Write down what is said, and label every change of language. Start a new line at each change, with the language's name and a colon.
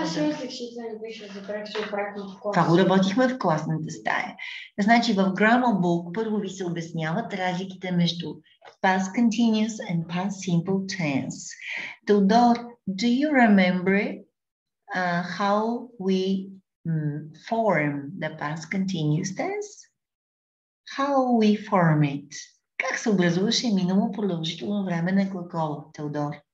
Bulgarian: Аз мислех, че това не беше за практика. Това го работихме в класната стая. Значи в
English: grammar book
Bulgarian: първо ви се обясняват разликите между
English: past continuous and past simple tense. Теодор, do you remember how we form the past continuous tense? How we form it?
Bulgarian: Как се образуваше минало продължително време на глагол, Теодор?